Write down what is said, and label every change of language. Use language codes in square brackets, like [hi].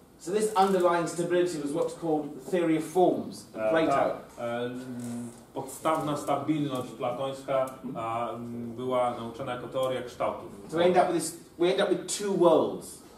[en] So this underlying stability was what's called the theory of forms, Plato. [pl] Podstawna stabilność platońska była nauczana jako teoria kształtów. [en] So we end up with two worlds.